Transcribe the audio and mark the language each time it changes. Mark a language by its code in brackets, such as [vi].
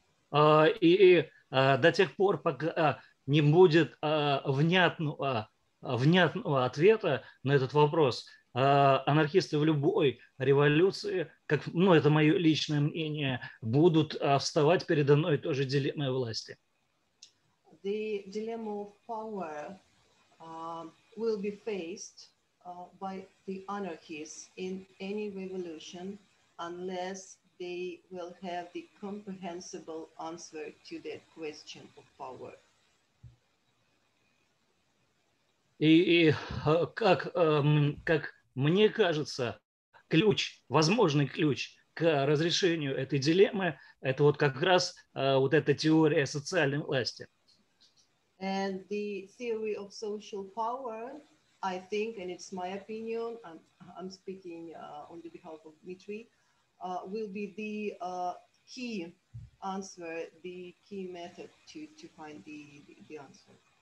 [ru] До тех пор, пока не будет внятного ответа на этот вопрос, анархисты в любой революции, это мое личное мнение, будут вставать перед одной и той же дилеммой власти. [en] The dilemma of power will be faced by the anarchists in any revolution unless they will have the comprehensible answer to that question of power. [ru] И как мне кажется, ключ, возможный ключ к разрешению этой дилеммы, это вот как раз вот эта теория социальной власти. [en] And the theory of social power, I think, and it's my opinion, I'm speaking on the behalf of Dmitriy, will be the key answer, the key method to find the answer.